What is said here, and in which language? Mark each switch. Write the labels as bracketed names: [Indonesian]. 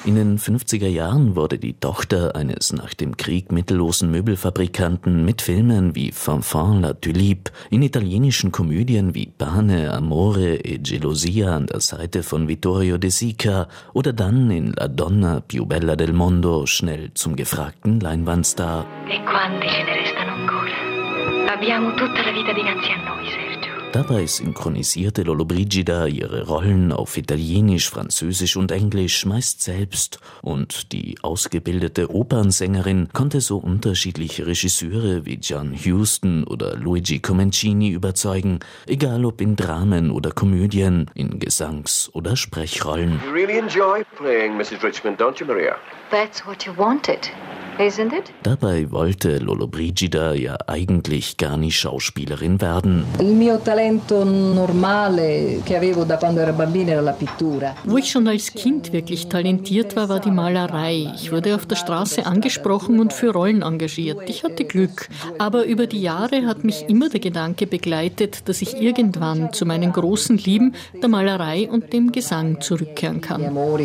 [German] In den 50er Jahren wurde die Tochter eines nach dem Krieg mittellosen Möbelfabrikanten mit Filmen wie Fanfan la Tulipe, in italienischen Komödien wie Pane, Amore e Gelosia an der Seite von Vittorio De Sica oder dann in La Donna più bella del mondo schnell zum gefragten Leinwandstar. [Italian] E quanti ce ne restano ancora? Abbiamo tutta la vita dinanzi a noi, Sergio. [German] Dabei synchronisierte Lollobrigida ihre Rollen auf Italienisch, Französisch und Englisch meist selbst. Und die ausgebildete Opernsängerin konnte so unterschiedliche Regisseure wie John Huston oder Luigi Comencini überzeugen, egal ob in Dramen oder Komödien, in Gesangs- oder Sprechrollen. [English] You really enjoy playing Mrs. Richmond, don't you, Maria? That's what you wanted. Isn't it? [German] Dabei wollte Lollobrigida ja eigentlich gar nicht Schauspielerin werden. [Italian] Il mio talento normale che avevo da quando ero bambina era la pittura. [German] Wo ich schon als Kind wirklich talentiert war, war die Malerei. Ich wurde auf der Straße angesprochen und für Rollen engagiert. Ich hatte Glück. Aber über die Jahre hat mich immer der Gedanke begleitet, dass ich irgendwann zu meinen großen Lieben der Malerei und dem Gesang zurückkehren kann.